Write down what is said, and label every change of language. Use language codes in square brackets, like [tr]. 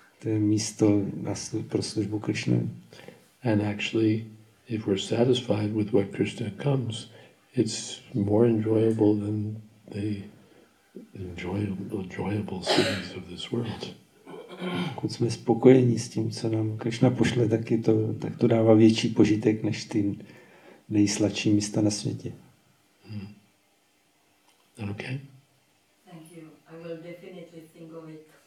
[cs] To je místo pro službu Krishna. [en] And actually, if we're satisfied with what Krishna comes, it's more enjoyable than the enjoyable cities of this world. [cs] Pokud jsme spokojení s tím, co nám Krishna pošle, tak to, tak to dává větší požitek než ty nejsladší místa na světě. [en] Hmm. Okay. Thank you. I will definitely think of it.